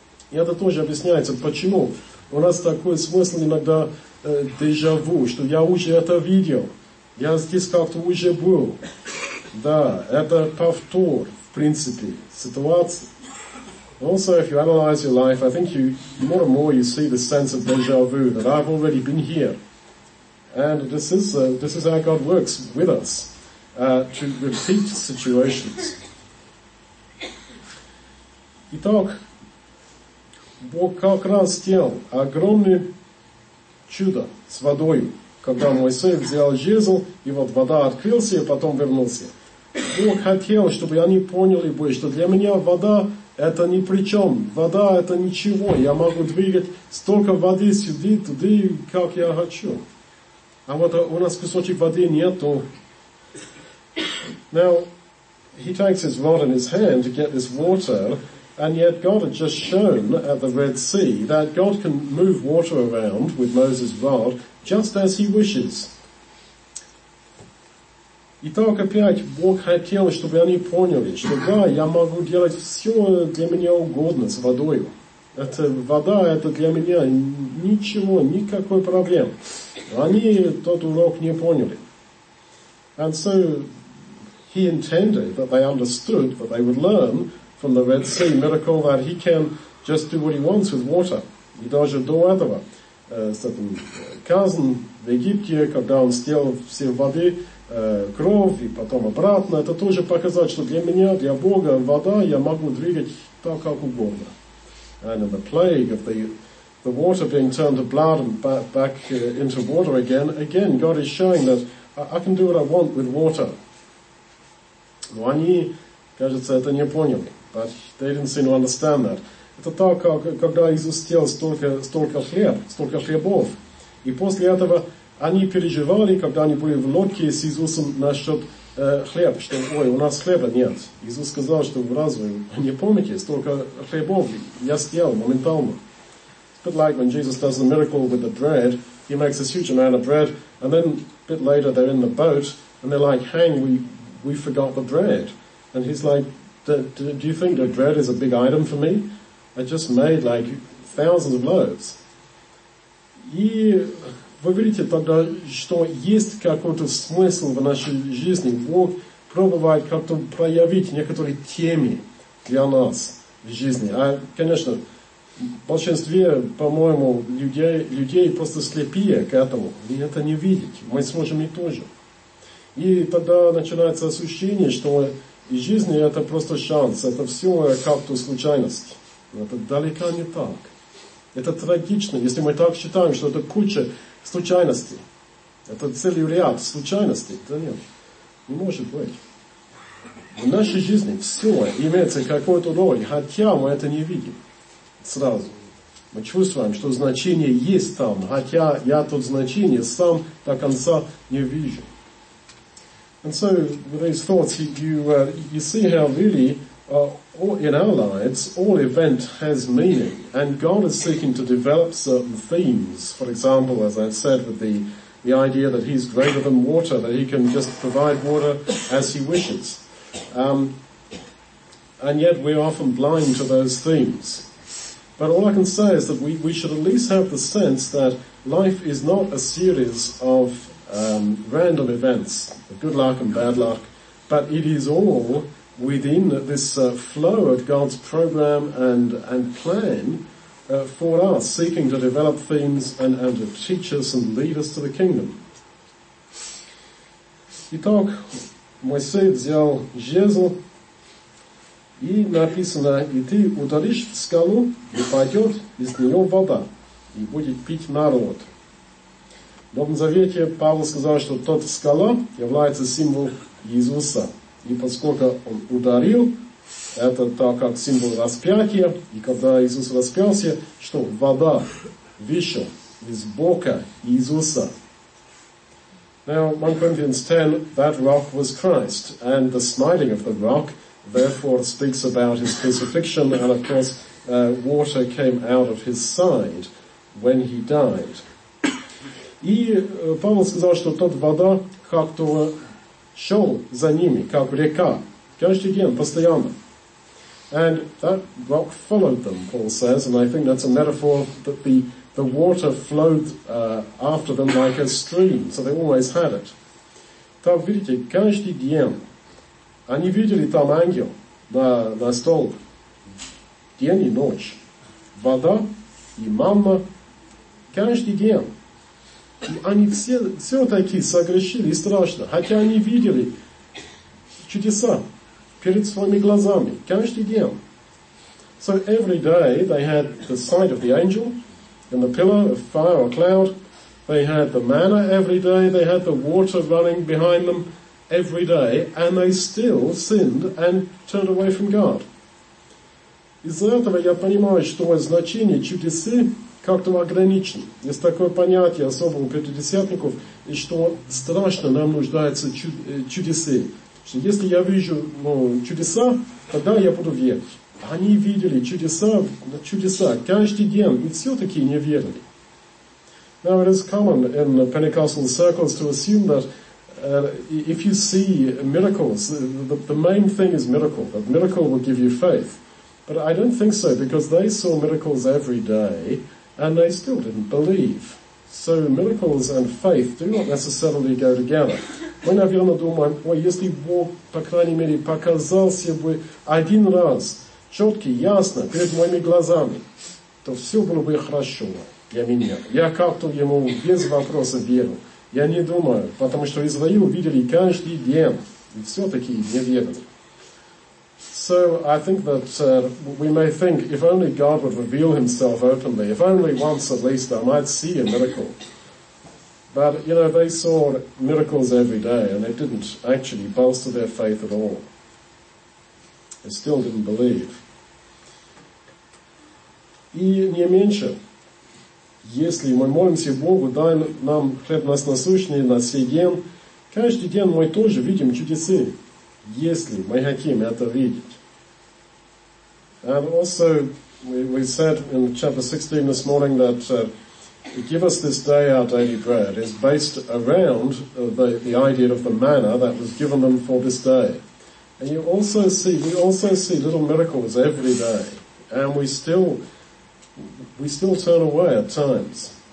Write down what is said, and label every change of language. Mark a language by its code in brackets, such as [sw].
[ru] И это тоже объясняется, почему у нас такой смысл иногда дежавю, что я уже это видел. Я здесь как-то уже был. Да, это повтор, в принципе, ситуации. [en] Also, if you analyze your life, I think more and more you see the sense of déjà vu, that I've already been here. And this is how God works with us, to repeat situations. [ru] Итак, Бог как раз сделал огромное чудо с водой. Когда Моисей взял жезл, и вот вода открылся, и потом вернулся. Бог хотел, чтобы они поняли бы, что для меня вода – это ни при чем. Вода – это ничего. Я могу двигать столько воды сюда, туда, как я хочу. А вот у нас кусочек воды нету. [en] Now, he takes his rod in his hand to get this water, and yet God had just shown at the Red Sea that God can move water around with Moses' rod, just as he wishes. [ru] Итак, опять, Бог хотел, чтобы они поняли, что да, я могу делать все для меня угодно с водой. Это вода, это для меня ничего, никакой проблем. Они тот урок не поняли. [en] And so, he intended that they understood, that they would learn from the Red Sea miracle that he can just do what he wants with water. [ru] И даже до этого. С этим казн в Египте, когда он сделал все воды, кровь и потом обратно, это тоже показать, что для меня, для Бога, вода я могу двигать так, как угодно. [en] And in the plague of the water being turned to blood and back into water again, God is showing that I can do what I want with water. [ru] Но они, кажется, это не поняли. [en] But they didn't seem to understand that. [ru] Это так, как, когда Иисус съел столько хлебов. И после этого они переживали, когда они были в лодке с Иисусом насчет хлеба, что «Ой, у нас хлеба нет». Иисус сказал, что «Разве вы не помните, столько хлебов я съел моментально». [en] It's a bit like when Jesus does the miracle with the bread. He makes this huge amount of bread, and then a bit later they're in the boat, and they're like, «Hang, we forgot the bread». And he's like, do you think the bread is a big item for me? I just made like thousands of loaves. [ru] И вы видите тогда, что есть какой-то смысл в нашей жизни. Бог пробует как-то проявить некоторые темы для нас в жизни. А, конечно, в большинстве, по-моему, людей просто слепее к этому. И это не видеть. Мы сможем и тоже. И тогда начинается ощущение, что И жизнь – это просто шанс, это все как-то случайность. Это далеко не так. Это трагично, если мы так считаем, что это куча случайностей. Это целый ряд случайностей. Да нет, не может быть. В нашей жизни все имеется какой-то роль, хотя мы это не видим сразу. Мы чувствуем, что значение есть там, хотя я тут значение сам до конца не вижу. [en] And so these thoughts you see how really in our lives all event has meaning, and God is seeking to develop certain themes. For example, as I said, with the idea that He's greater than water, that He can just provide water as He wishes. And yet we're often blind to those themes. But all I can say is that we should at least have the sense that life is not a series of random events, good luck and bad luck, but it is all within this flow of God's program and plan for us, seeking to develop themes and to teach us and lead us to the kingdom. [ru] Итак, Моисей взял жезл, и написано, и ты ударишь в скалу, и пойдет из нее вода, и будет пить народ. В Новом Завете Павел сказал, что тот скала является символом Иисуса. И поскольку он ударил, это так как символ распятия, и когда Иисус распялся, что вода вышла из бока Иисуса. [en] Now, 1 Corinthians 10, that rock was Christ, and the smiting of the rock therefore speaks about his crucifixion, and of course water came out of his side when he died. [ru] И Павел сказал, что тот вода как-то шел за ними, как река, каждый день, постоянно. [en] And that rock followed them, Paul says, and I think that's a metaphor that the water flowed after them like a stream, so they always had it. [ru] Так, видите, каждый день они видели там ангел на столб, день и ночь, вода и манна, каждый день. И они все такие согрешили и страшно, хотя они видели чудеса перед своими глазами каждый день. [en] So every day they had the sight of the angel in the pillar of fire or cloud. They had the manna every day. They had the water running behind them every day, and they still sinned and turned away from God. [ru] Из-за этого я понимаю, что значение чудеса как-то ограничен. Есть такое понятие, особо у пятидесятников, и что страшно нам нуждаются чудеса. Что если я вижу чудеса, тогда я буду верить. Они видели чудеса каждый день, и все-таки не верили. [en] Now it is common in Pentecostal circles to assume that if you see miracles, the main thing is miracle, that miracle will give you faith. But I don't think so, because they saw miracles every day, and they still didn't believe. So miracles and faith do not necessarily go together. [ru] Мы, наверное, думаем, ой, если Бог, по крайней мере, показался бы один раз, четко, ясно, перед моими глазами, то все было бы хорошо для меня. Я как-то ему без вопросов верю. Я не думаю, потому что Израил видели каждый день, и все-таки не верили. [en] So I think that we may think, if only God would reveal himself openly, if only once at least I might see a miracle. But, you know, they saw miracles every day, and it didn't actually bolster their faith at all. They still didn't believe. [ru] И не меньше, если мы молимся Богу, дай нам хлеб нас насущный на сей день, каждый день мы тоже видим чудеса, если мы хотим это видеть. [en] And also, we said in chapter 16 this morning that give us this day our daily bread is based around the idea of the manna that was given them for this day. And we also see little miracles every day, and we still turn away at times.